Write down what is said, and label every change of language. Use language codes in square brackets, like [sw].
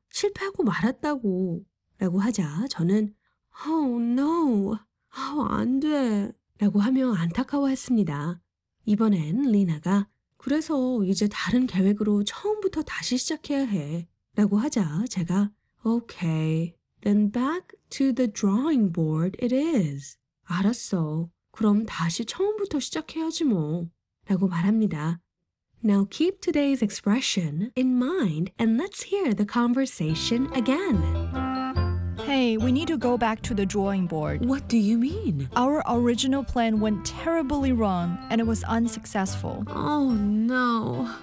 [ko] 실패하고 말았다고. 라고 하자 저는, [en] oh no, oh, [ko] 안 돼. 라고 하며 안타까워했습니다. 이번엔 Lina가, 그래서 이제 다른 계획으로 처음부터 다시 시작해야 해. 라고 하자 제가 Okay, [en] Then back to the drawing board it is. [ko] 알았어. 그럼 다시 처음부터 시작해야지 뭐. 라고 말합니다. [en] Now keep today's expression in mind and let's hear the conversation again. Hey, we need to go back to the drawing board. What do you mean? Our original plan went terribly wrong and it was unsuccessful. Oh no.